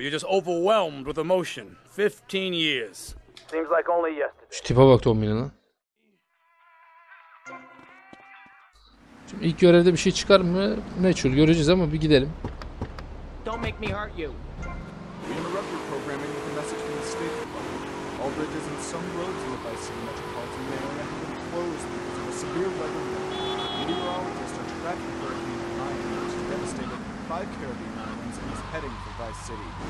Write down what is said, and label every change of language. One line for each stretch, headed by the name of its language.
English: You're just overwhelmed with emotion. 15 years. Seems like only yesterday.
Turkish: Şu tipe bak Tommy'nin lan. Şimdi ilk görevde bir şey çıkar mı? Meçhul göreceğiz ama bir gidelim.
English: Don't make me hurt you. We interrupt your programming with a message from the State Department. All bridges and some roads in the Vice City metropolitan area have been closed because of a severe weather event. Meteorologists are tracking Hurricane Maya, which has devastated 5 Caribbean islands and is heading for Vice City.